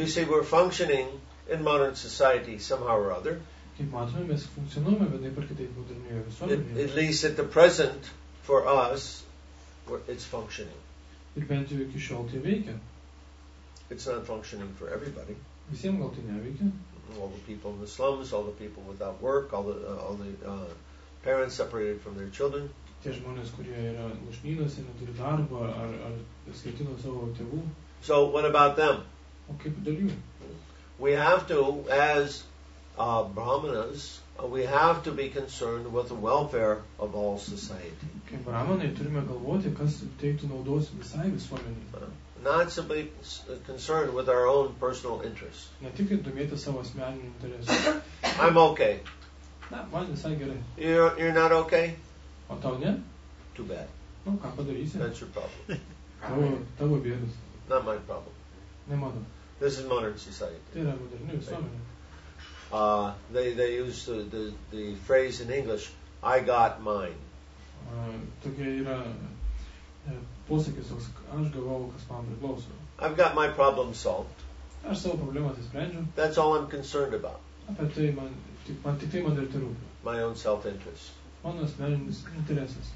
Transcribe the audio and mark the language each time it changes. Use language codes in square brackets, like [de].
[en] You see, we're functioning in modern society somehow or other. [lt] Kaip matome, mes funkcionuojame vienai per kitai modernioje visuomenėje. [en] At least at the present, for us, it's functioning. [lt] Ir bent jau iki šiol tai veikia. [en] It's not functioning for everybody. [lt] Visiems gal tai neveikia. [en] All the people in the slums, all the people without work, all the parents separated from their children. [lt] Tie žmonės, kurie yra lūšnynuose, neturi darbo, ar skirti nuo savo tėvų. [en] So, what about them? [lt] O kaip dėl jų? [en] We have to, as Brahmanas, we have to be concerned with the welfare of all society. [lt] Kaip Brahmanai turime galvoti, kas teiktų naudos visai visuomenei. [en] not simply concerned with our own personal interests. [lt] Ne tik domėtis savo asmeniniu interesu. [en] I'm okay. [lt] Na, man visai gerai. [en] You're not okay? [lt] O tau ne? [en] Too bad. [lt] Nu, ką padarysi? [en] That's your problem. [lt] Tavo bėdus. [en] Not my problem. [lt] Ne mano. [en] This is modern society. [lt] Tai yra moderni visuomenė. [en] They use the phrase in English, I got mine. [lt] Tokia yra posakis, aš gavau, kas man priklauso. [en] I've got my problem solved. [lt] Aš savo problemas išsprendžiu. [en] That's all I'm concerned about. [lt] Apie tai man tik tai man ir terūpia. [en] My own self-interest. [lt] Mano asmeninis interesas.